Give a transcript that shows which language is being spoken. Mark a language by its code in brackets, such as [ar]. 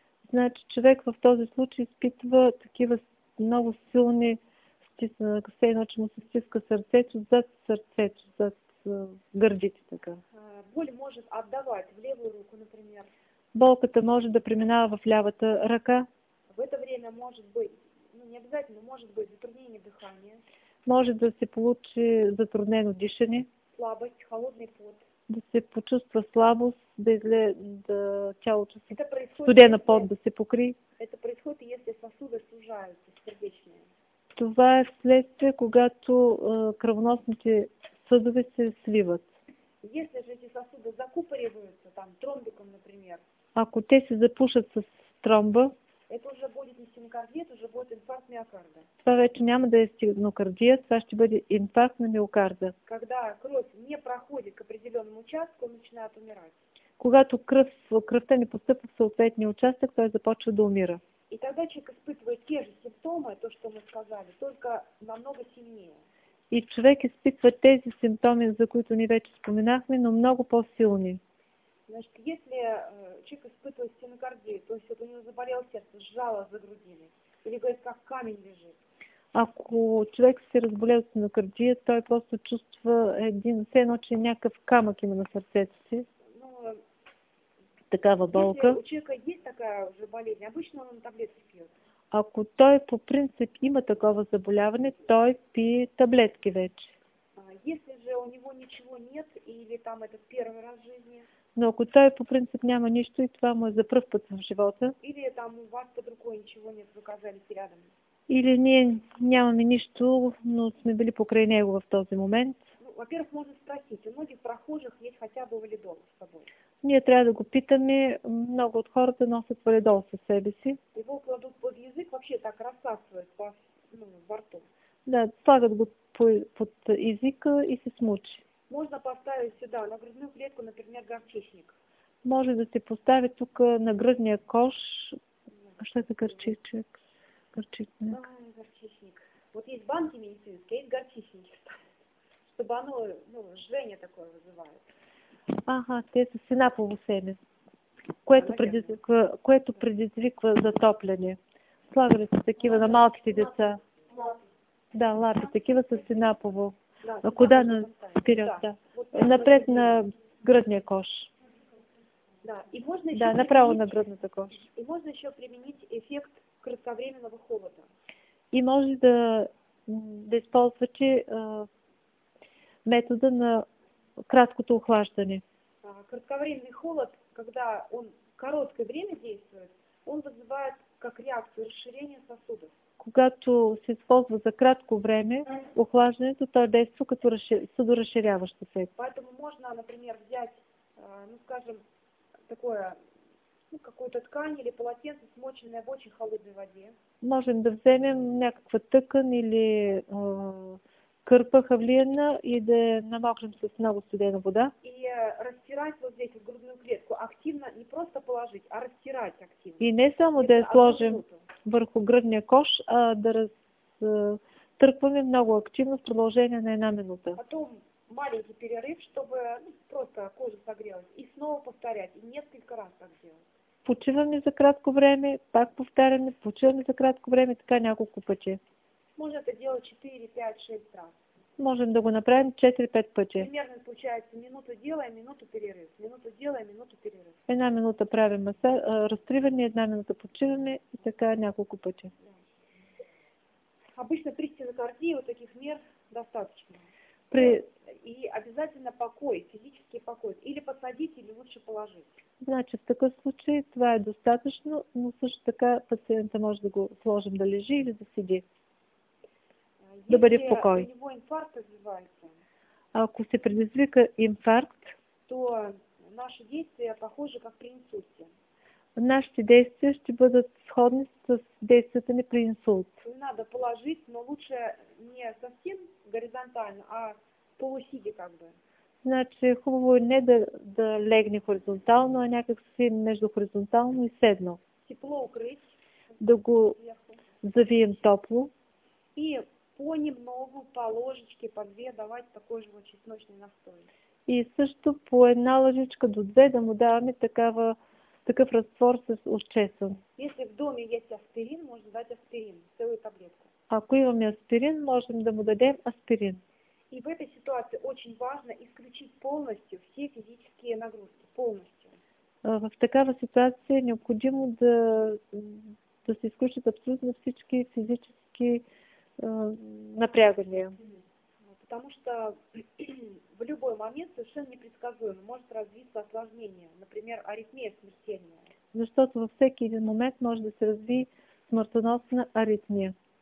[bg] Значи човек в този случай изпитва такива много силни стиснания, все едно, че му се стиска сърцето, зад гърдите така. [ru] Боли може отдавать в левую руку, например. [bg] Болката може да преминава в лявата ръка. [ru] В это время может быть не обязательно, может быть затруднение дыхания. [bg] Може да се получи затруднено дишане. [ru] Слабость, холодный пот. [bg] Да се почувства слабост, да тялото се студена пот да се покри. [ru] Это происходит, если сосуды сужаются, сердечные. [bg] Това е вследствие, когато кръвоносните съдове се свиват. [ru] Если же эти сосуды закупориваются, там, тромбиком, например. [bg] Ако те се запушат с тромба, [ru] это уже будет не стенокардия, это уже будет инфаркт миокарда. [bg] Това вече няма да е стенокардия, това ще бъде инфаркт на миокарда. [ru] Когда кровь не проходит к определенному участку, он начинает умирать. [bg] Когато кръвта не поступа в съответния участък, той започва да умира. [ru] И тогда человек испытывает те же симптомы, то, что мы сказали, только намного сильнее. [bg] И човек изпитва тези симптоми, за които ни вече споменахме, но много по-силни. [ru] Значит, если человек испытывает стенокардию, то есть вот у него заболело сердце, сжало за грудиной, или говорит, как камень лежит. [bg] Ако человек се разболел стенокардия, той просто чувства един, все едно, че някакъв камък има на сърцето си. Но, такава болка. [ru] Если у человека есть такая уже болезнь, обычно он таблетки пьет. [bg] Ако той по принцип има такова заболяване, той пие таблетки вече. [ru] Если же у него ничего нет, или там это первый раз в жизни. [bg] Но ако той по принцип няма нищо и това му е за пръв път в живота. [ru] Или там у вас под рукой ничего нет, вы оказались рядом. [bg] Или ние нямаме нищо, но сме били покрай него в този момент. [ru] Ну, во-первых, можно спросить, у многих прохожих есть хотя бы валидол с собой. [bg] Ние трябва да го питаме, много от хората носят валидол със себе си. [ru] Его кладут под язык, вообще так рассасывают во рту. [bg] Да, слагат го под езика и се смучи. [ru] Можно поставить сюда на грудную клетку, например, горчичник. [bg] Може да се постави тук на гръдния кош. Що е за горчичник? Горчичник. Да, горчичник. [ru] Вот есть банки медицинские, есть горчичники. Чтобы оно, жжение такое вызывает. [bg] Ага, те са синапово семе, което предизвиква затопляне. Слагали са такива на малките деца. Да, лапи, такива са синапово. Да, [ru] куда на вперед, да. [bg] Напред на гръдния кош. [ru] Да, и можно еще да направо на грудную кожу. И можно еще применить эффект кратковременного холода. [bg] И може да използвате метода на краткото охлаждане. [ru] Кратковременный холод, когда он короткое время действует, он вызывает как реакцию расширения сосудов. [bg] Когато се използва за кратко време охлаждането, то действа като судоразширяващ ефект. [ru] Поэтому можно, например, взять, ну скажем, такое, ну, какую-то ткань или полотенце, смоченное в очень холодной воде. [bg] Можем да вземем някаква тъкан или кърпа хавлиена и да намокнем с много студена вода. [ru] И растирать вот здесь в грудную клетку активно, не просто положить, а растирать активно. [bg] И не само да я сложим върху гръдния кош, а да разтъркваме много активно в продължение на една минута. [ru] Потом маленький перерыв, чтобы просто кожа согрелась. И снова повторять, и несколько раз так делать. [bg] Почиваме за кратко време, пак повтаряме, почиваме за кратко време, така няколко пъти. [ru] Можно это делать 4, 5, 6 раз. [bg] Можем да го направим 4-5 пъти. [ru] Примерно получается минуту делаем, минуту перерыв. Минуту делаем, минуту перерыв. [bg] Една минута правим разтриване, една минута почиваме и така няколко пъти. Да. [ru] Обычно при стенокардии вот таких мер достаточно. И обязательно покой, физический покой. Или посадить, или лучше положить. Значит, в такой случай [bg] това е достатъчно, но също така пациента може да го сложим да лежи или да седи. Да бъде в покой. [ru] Если у него инфаркт развивается, [bg] ако се предизвика инфаркт, [ru] то наши действия похожи как при инсульте. [bg] Нашите действия ще бъдат сходни с действията ни при инсулт. [ru] Не надо положить, но лучше не совсем горизонтально, а полусиди как бы. [bg] Значи хубаво е не да легне хоризонтално, а някак си между хоризонтално и седно. [ru] Тепло укрить. [bg] Да го завием топло. [ru] И понемногу, по ложечке, по две давать такой же чесночный настой. [bg] И също по една ложечка до две да му даваме такъв раствор с чесън. [ru] Если в доме есть аспирин, можно дать аспирин, целую таблетку. [bg] Ако имаме аспирин, можем да му дадем аспирин. [ru] И в этой ситуации очень важно исключить полностью все физические нагрузки. Полностью. [bg] В такава ситуация необходимо да се изключат абсолютно всички физически напрягания. [ru] Потому что в любой момент совершенно непредсказуемо может развиться осложнение. Например, аритмия смертельная. [bg] Защото във всеки един момент може да се разви смъртоносна аритмия.